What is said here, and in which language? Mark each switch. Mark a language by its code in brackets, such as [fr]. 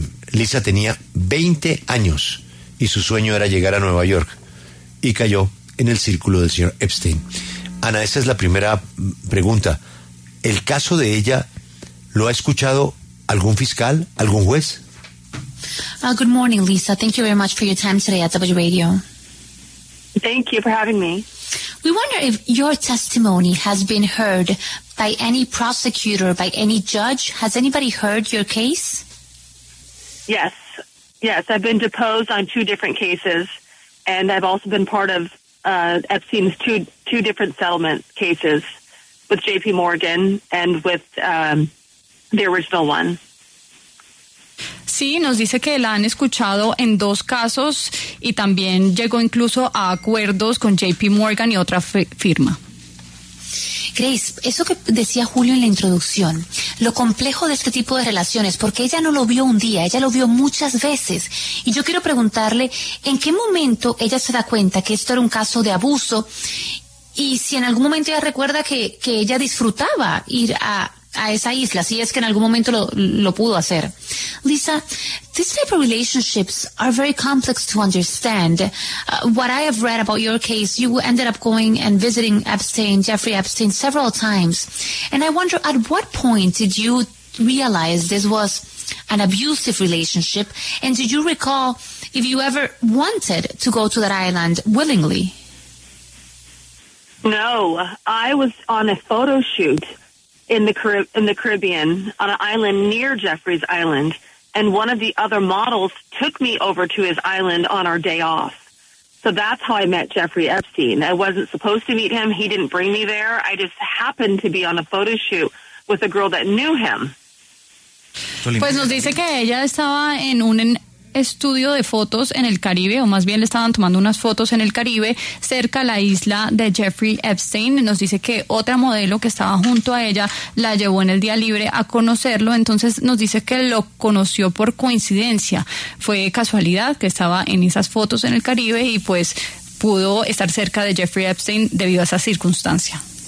[es] Lisa tenía 20 años y su sueño era llegar a Nueva York y cayó en el círculo del señor Epstein. Ana, esa es la primera pregunta. ¿El caso de ella lo ha escuchado algún fiscal, algún juez? [en] Good morning, Lisa. Thank you very much for your time today at W Radio. Thank you for having me. We wonder if your testimony has been heard by any prosecutor, by any judge. Has anybody heard your case? Yes. Yes, I've been deposed on two different cases, and I've also been part of Epstein's two different settlement cases with J.P. Morgan and with the original one. [es] Sí, nos dice que la han escuchado en dos casos y también llegó incluso a acuerdos con J.P. Morgan y otra firma. Grace, eso que decía Julio en la introducción, lo complejo de este tipo de relaciones, porque ella no lo vio un día, ella lo vio muchas veces. Y yo quiero preguntarle, ¿en qué momento ella se da cuenta que esto era un caso de abuso? Y si en algún momento ella recuerda que ella disfrutaba ir a esa isla, si es que en algún momento lo pudo hacer. [en] Lisa, these type of relationships are very complex to understand. What I have read about your case, you ended up going and visiting Epstein, Jeffrey Epstein, several times. And I wonder, at what point did you realize this was an abusive relationship? And did you recall if you ever wanted to go to that island willingly? No, I was on a photo shoot in the Caribbean, on an island near Jeffrey's island, and one of the other models took me over to his island on our day off. So that's how I met Jeffrey Epstein. I wasn't supposed to meet him. He didn't bring me there. I just happened to be on a photo shoot with a girl that knew him. [es] Pues nos dice que ella estaba en un estudio de fotos en el Caribe, o más bien le estaban tomando unas fotos en el Caribe cerca a la isla de Jeffrey Epstein. Nos dice que otra modelo que estaba junto a ella la llevó en el día libre a conocerlo. Entonces nos dice que lo conoció por coincidencia, fue casualidad que estaba en esas fotos en el Caribe y pues pudo estar cerca de Jeffrey Epstein debido a esa circunstancia.